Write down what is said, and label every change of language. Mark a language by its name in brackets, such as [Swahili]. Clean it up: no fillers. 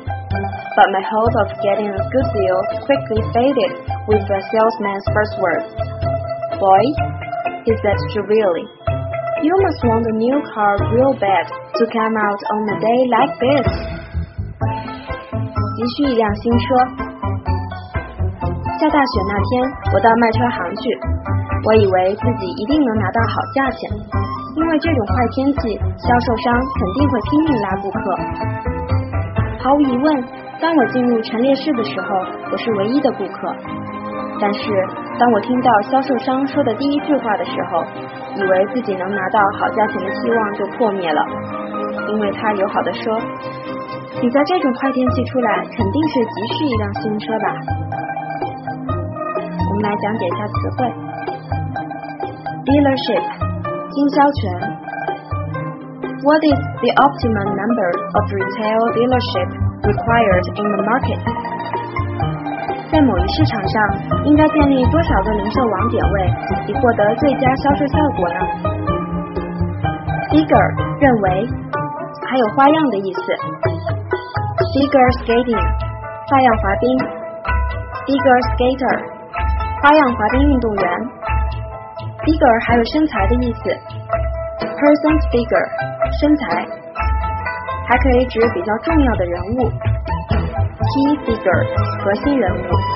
[English] But my hope of getting a good deal quickly faded with the salesman's first words. Boy, he said jovially, you must want a new car real bad to come out on a day like this. [Chinese] 急需一辆新车。下大雪那天，我到卖车行去，我以为自己一定能拿到好价钱，因为这种坏天气，销售商肯定会拼命拉顾客。毫无疑问，当我进入陈列室的时候，我是唯一的顾客。但是当我听到销售商说的第一句话的时候，以为自己能拿到好价钱的希望就破灭了，因为他友好地说，你在这种坏天气出来，肯定是急需一辆新车吧。我们来讲解一下词汇 Dealership 经销权。 [English] What is the optimum number of retail dealership required in the market? [Chinese] 在某一市场上，应该建立多少个零售网点位以获得最佳销售效果呢？ Figure 认为，还有花样的意思。Figure skating 花样滑冰 Figure skater 花样滑冰运动员 Figure 还有身材的意思 Person's figure 身材还可以指比较重要的人物 Key figure 核心人物